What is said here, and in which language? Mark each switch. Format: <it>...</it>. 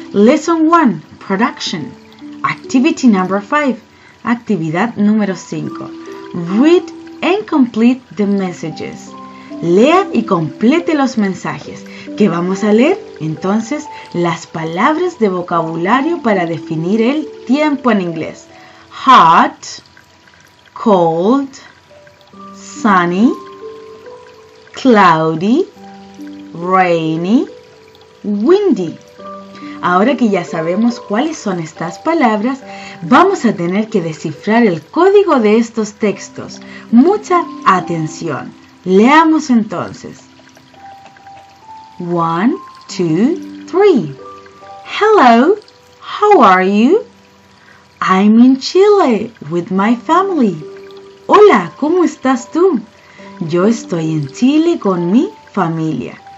<en>Lesson 1, production. Activity number 5,</en> <es>actividad número 5.</es> <en>Read and complete the messages.</en> <es>Lea y complete los mensajes. ¿Qué vamos a leer? Entonces, las palabras de vocabulario para definir el tiempo en inglés.</es> <en>Hot, cold, sunny, cloudy, rainy, windy.</en> <es>Ahora que ya sabemos cuáles son estas palabras, vamos a tener que descifrar el código de estos textos. Mucha atención. Leamos entonces.</es> <en>1, 2, 3. Hello, how are you? I'm in Chile with my family.</en> <es>Hola, ¿cómo estás tú? Yo estoy en Chile con mi familia.</es>